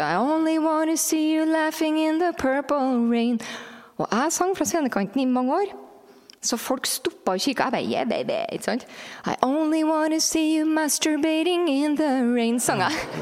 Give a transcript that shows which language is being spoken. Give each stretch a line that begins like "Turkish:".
English: I only want to see you laughing in the purple rain.
Norwegian: Og jeg sang fra scenekanten i mange år. Så folk stoppet og kikket. Jeg bare,
English: yeah baby,
Norwegian: ikke sant?
English: I only want to see you masturbating in the rain,
Norwegian: sang jeg.